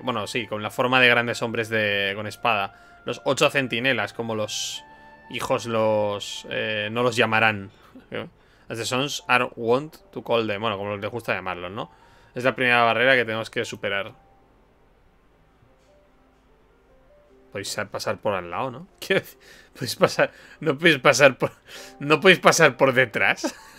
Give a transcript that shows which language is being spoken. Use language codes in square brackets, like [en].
[es] Bueno, sí, con la forma de grandes hombres de. Con espada. Los ocho centinelas, como los. Hijos los... no los llamarán. [en] As the sons are wont to call them. [es] Bueno, como les gusta llamarlos, ¿no? Es la primera barrera que tenemos que superar. Podéis pasar por al lado, ¿no? ¿Qué? ¿Podéis pasar? ¿No podéis pasar por... ¿No podéis pasar por detrás?